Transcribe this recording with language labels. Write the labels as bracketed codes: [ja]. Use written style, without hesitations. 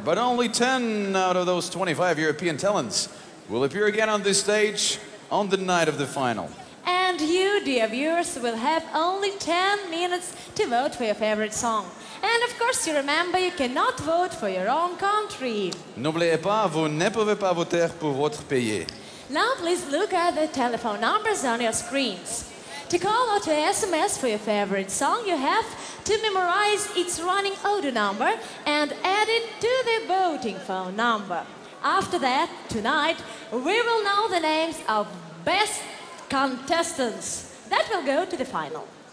[en] But only 10 out of those 25 European talents will appear again on this stage on the night of the final. And you, dear viewers, will have only 10 minutes to vote for your favorite song. And of course, you remember, you cannot vote for your own country. [fr] N'oubliez pas, vous ne pouvez pas voter pour votre pays. [en] Now, please look at the telephone numbers on your screens. To call or to SMS for your favorite song, you have to memorize its running order number and add it to the voting phone number. After that, tonight, we will know the names of best contestants that will go to the final.